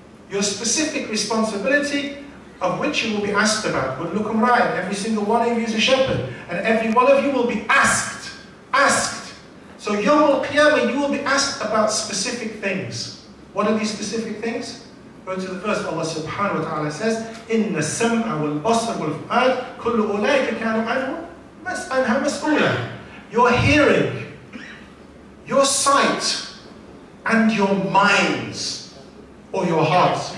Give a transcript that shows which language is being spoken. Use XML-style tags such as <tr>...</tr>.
<en>Your specific responsibility of which you will be asked about. Every single one of you is a shepherd. And every one of you will be asked. So yawm al-qiyamah, you will be asked about specific things. What are these specific things? Go to the verse, Allah subhanahu wa ta'ala says,</en> <ar>إِنَّ السَّمْعَ وَالْبَصَرَ وَالْفُؤَادَ كُلُّ أُولَٰئِكَ كَانُوا عَنْهُ مَسْأَلَهَا مَسْئُولًا.</ar> <en>Your hearing, your sight, and your minds, or your hearts.</en>